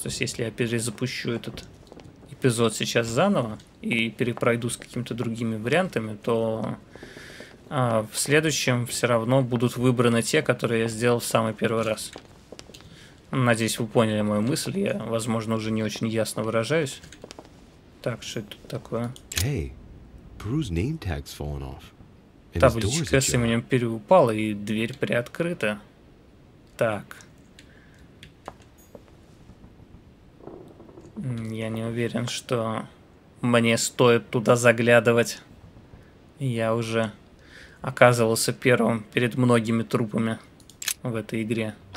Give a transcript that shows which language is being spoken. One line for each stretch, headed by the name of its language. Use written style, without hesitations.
Russian: То есть если я перезапущу этот эпизод сейчас заново и перепройду с какими-то другими вариантами, то в следующем все равно будут выбраны те, которые я сделал в самый первый раз. Надеюсь, вы поняли мою мысль. Я, возможно, уже не очень ясно выражаюсь. Так, что это тут такое?
English: Hey, Peru's name tag's fallen off.
Russian: Табличка с именем Перу упала, и дверь приоткрыта. Так. Я не уверен, что мне стоит туда заглядывать. Я уже оказывался первым перед многими трупами в этой игре.